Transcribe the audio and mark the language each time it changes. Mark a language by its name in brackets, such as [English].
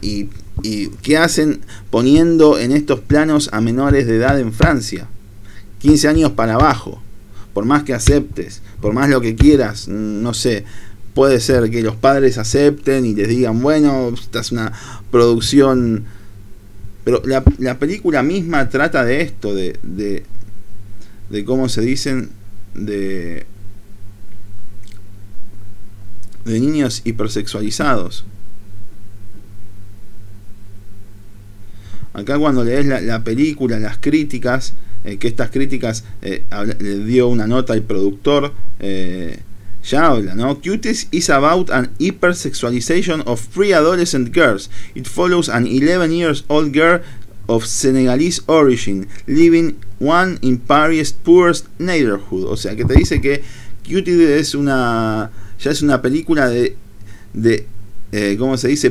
[Spanish] Y qué hacen poniendo en estos planos a menores de edad en Francia, 15 años para abajo, por más que aceptes, por más lo que quieras, no sé, puede ser que los padres acepten y les digan, bueno, esta es una producción, pero la película misma trata de esto, de cómo se dicen, de niños hipersexualizados. Acá cuando lees la película, las críticas, que estas críticas le dio una nota al productor, ya habla, ¿no? [English] Cuties is about an hypersexualization of three adolescent girls. It follows an 11 years old girl of Senegalese origin living one in Paris' poorest neighborhood. [Spanish] O sea, que te dice que Cuties es una... Ya es una película de ¿cómo se dice?